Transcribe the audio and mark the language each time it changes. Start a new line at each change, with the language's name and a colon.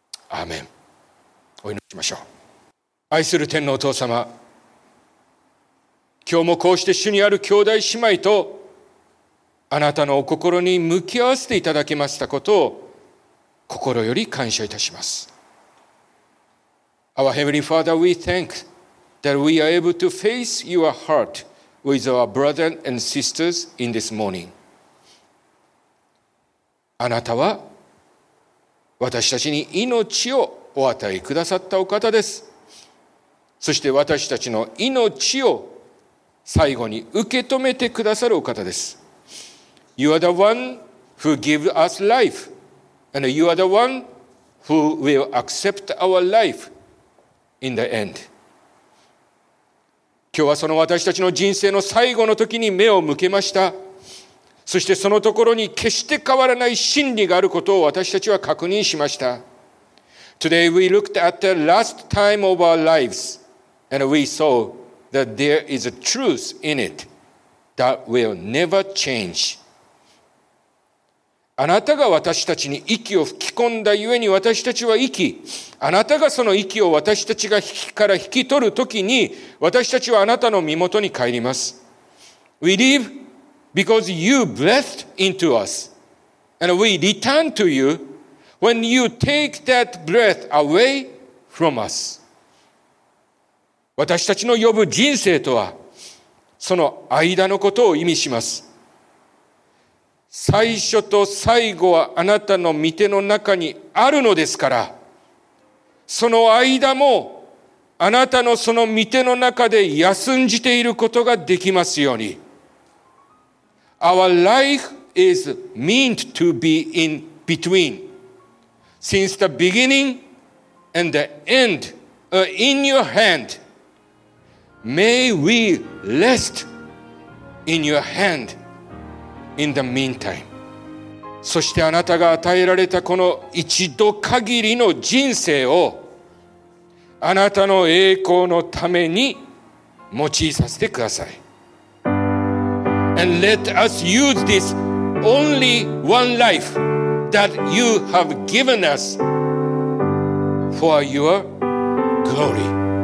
Japanese: アーメン。お祈りしましょう。愛する天のお父様、今日もこうして主にある兄弟姉妹とあなたのお心に向き合わせていただきましたことを心より感謝いたします。
English: Our Heavenly Father, we thank that we are able to face your heart with our brothers and sisters in this morning.
Japanese: あなたは私たちに命をお与えくださったお方です。そして私たちの命を最後に受け止めてくださるお方です。
English: You are the one who gives us life, and you are the one who will accept our life in the end.
Japanese: 今日はその私たちの人生の最後の時に目を向けました。そしてそのところに決して変わらない真理があることを私たちは確認しました。
English: Today we looked at the last time of our lives and we saw that there is a truth in it that will never change.
Japanese: あなたが私たちに息を吹き込んだゆえに私たちは生き、あなたがその息を私たちが引きから引き取るときに私たちはあなたの身元に帰ります。
English: We leaveBecause you breathed into us, and we return to you when you take that breath away from us.
Japanese: 私たちの呼ぶ人生とは、その間のことを意味します。最初と最後はあなたの御手の中にあるのですから、その間もあなたのその御手の中で休んじていることができますように。
English: Our life is meant to be in between. Since the beginning and the end are in your hand, may we rest in your hand in the meantime.
Japanese: そしてあなたが与えられたこの一度限りの人生をあなたの栄光のために用いさせてください。
English: And let us use this only one life that you have given us for your glory.